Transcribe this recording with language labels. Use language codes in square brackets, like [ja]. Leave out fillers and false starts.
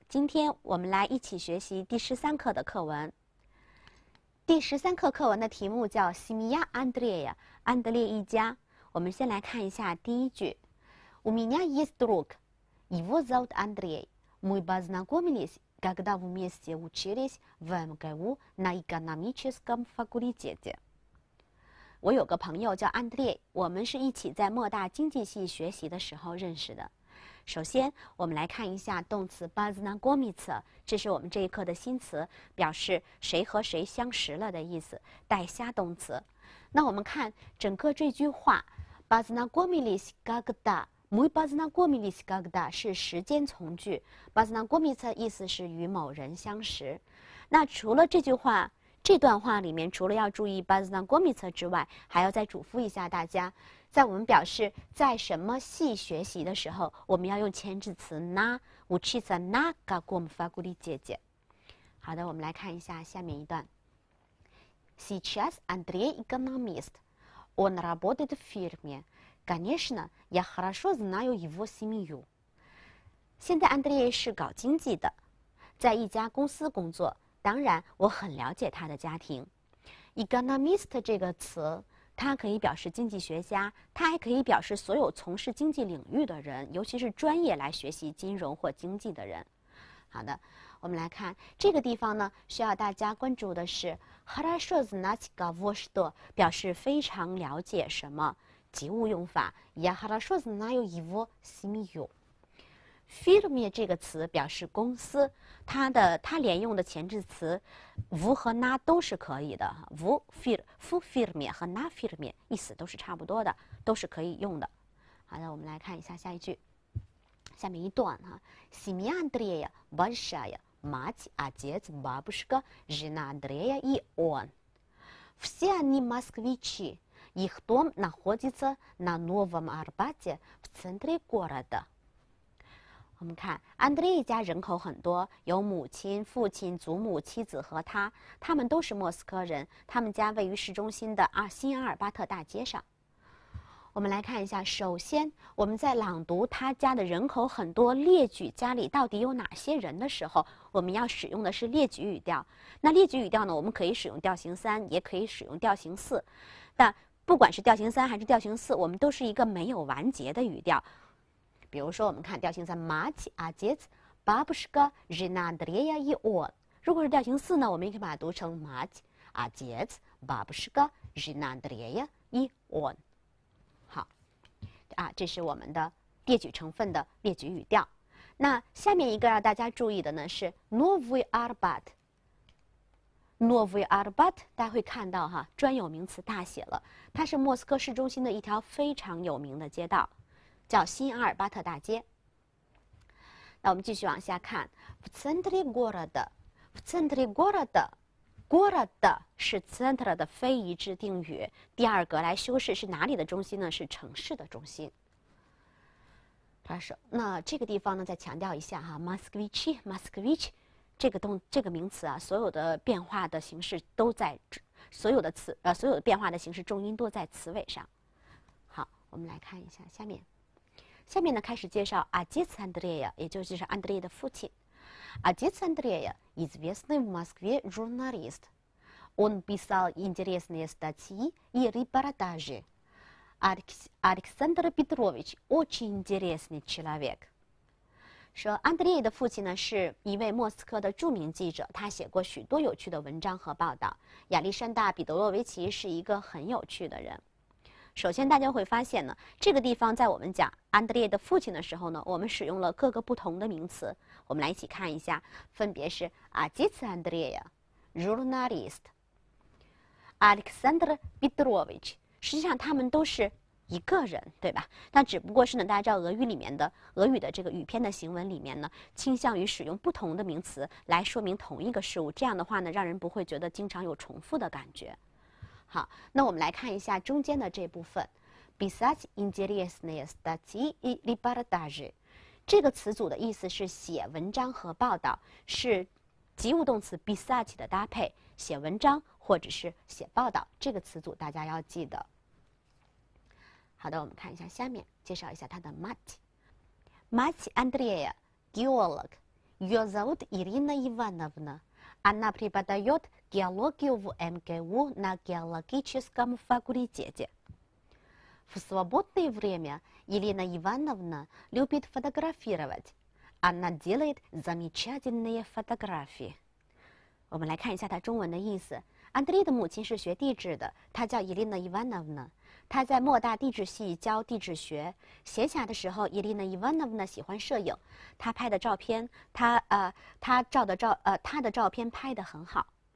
[zh] 今天我们来一起学习第十三课的课文。第十三课课文的题目叫《西米亚·安德烈亚》，安德烈一家。我们先来看一下第一句 [ru] ：У меня есть друг, его зовут Андрей. Мы познакомились, когда вместе учились в МГУ на экономическом факультете. [zh] 我有个朋友叫安德烈，我们是一起在莫大经济系学习的时候认识的。首先我们来看一下动词 познакомиться， 这是我们这一课的新词，表示谁和谁相识了的意思，带虾动词。那我们看整个这句话 [ru] познакомились когда， мы познакомились когда [zh] 是时间从句， познакомиться 意思是与某人相识。那除了这句话，这段话里面除了要注意 познакомиться 之外，还要再嘱咐一下大家，在我们表示在什么系学习的时候，我们要用前置词 на， 我去在 [ru] на каком факультете。 [zh] 好的，我们来看一下下面一段。 [ru] Сейчас Андрей экономист. Он работает в фирме. Конечно, я хорошо знаю его семью. [zh] 现在安德烈是搞经济的，在一家公司工作，当然我很了解他的家庭。 Economist 这个词它可以表示经济学家，它还可以表示所有从事经济领域的人，尤其是专业来学习金融或经济的人。好的，我们来看这个地方呢，需要大家关注的是 [ru] хорошо знать кого что， [zh] 表示非常了解什么，及物用法 [ru] я хорошо знаю его семью。 [zh] фирме 这个词表示公司，它连用的前置词无和那都是可以的，无 firme 和那 firme 意思都是差不多的，都是可以用的。好的，我们来看一下下一句，下面一段哈。 [ru] Семья Андрея большая, мать, отец, бабушка, жена Андрея и он. Все они москвичи. Их дом находится на Новом Арбате в центре города. [zh] 我们看安德烈一家人口很多，有母亲、父亲、祖母、妻子和他，他们都是莫斯科人，他们家位于市中心的新阿尔巴特大街上。我们来看一下，首先我们在朗读他家的人口很多，列举家里到底有哪些人的时候，我们要使用的是列举语调。那列举语调呢，我们可以使用调型三，也可以使用调型四，但不管是调型三还是调型四，我们都是一个没有完结的语调。比如说我们看调型三 [ru] мать, отец, бабушка, жена Андрея и он。 [zh] 如果是调型四呢，我们也可以把它读成 [ru] мать, отец, бабушка, жена Андрея и он。 [zh] 好啊，这是我们的列举成分的列举语调。那下面一个让大家注意的呢是 Новый Арбат。 Новый Арбат 大家会看到哈，专有名词大写了，它是莫斯科市中心的一条非常有名的街道，叫新阿尔巴特大街。那我们继续往下看 [ru] в центре города， в центре города， [zh] города 是 центр 的非一致定语，第二格来修饰，是哪里的中心呢？是城市的中心。他说那这个地方呢，再强调一下哈， москвичи， москвич 这个名词啊，所有的变化的形式都在所有的词所有的变化的形式重音都在词尾上。好，我们来看一下下面。下面呢，开始介绍阿杰斯·安德烈亚，也就是安德烈的父亲。阿杰斯·安德烈亚 [ru] известный в Москве журналист. Он писал интересные статьи и репортажи. Александр Петрович очень интересный человек. [zh] 说安德烈的父亲呢，是一位莫斯科的著名记者，他写过许多有趣的文章和报道。亚历山大·彼得洛维奇是一个很有趣的人。首先大家会发现呢，这个地方在我们讲安德烈的父亲的时候呢，我们使用了各个不同的名词，我们来一起看一下，分别是 [ru] Отец Андрея Журналист Александр Петрович， [zh] 实际上他们都是一个人，对吧？但只不过是呢，大家知道俄语的这个语篇的行文里面呢，倾向于使用不同的名词来说明同一个事物，这样的话呢，让人不会觉得经常有重复的感觉。好，那我们来看一下中间的这部分 [en] besides interesting study [ru] и репортажи， [zh] 这个词组的意思是写文章和报道，是及物动词 besides 的搭配，写文章或者是写报道，这个词组大家要记得。好的，我们看一下下面介绍一下他的 мать。 [ru] мать Андрея геолог. Ее зовут Ирина Ивановна. Она преподает геологию в МГУ на геологическом факультете. В свободное время Ирина Ивановна любит фотографировать. Она делает замечательные фотографии. [zh] 我们来看一下它中文的意思。安德烈的母亲是学地质的，她叫伊丽娜·伊万诺夫娜。她在莫大地质系教地质学。闲暇的时候，伊丽娜·伊万诺夫娜喜欢摄影，她拍的照片，她的照片拍得很好。